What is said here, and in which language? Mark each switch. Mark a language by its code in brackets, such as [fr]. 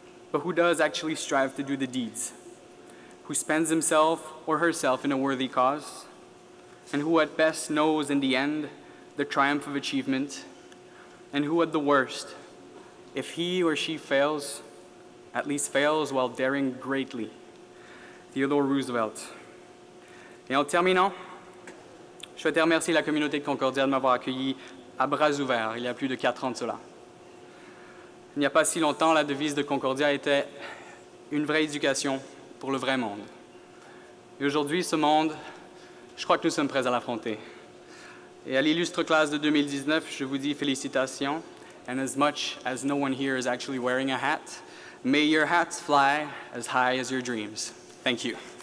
[en] but who does actually strive to do the deeds, who spends himself or herself in a worthy cause, and who at best knows in the end the triumph of achievement, and who at the worst, if he or she fails, at least fails while daring greatly. Theodore Roosevelt. [fr] Et en terminant, je souhaitais remercier la communauté de Concordia de m'avoir accueilli à bras ouverts il y a plus de 4 ans de cela. Il n'y a pas si longtemps, la devise de Concordia était une vraie éducation pour le vrai monde. Et aujourd'hui, ce monde, je crois que nous sommes prêts à l'affronter. Et à l'illustre classe de 2019, je vous dis félicitations. [en] And as much as no one here is actually wearing a hat, may your hats fly as high as your dreams. Thank you.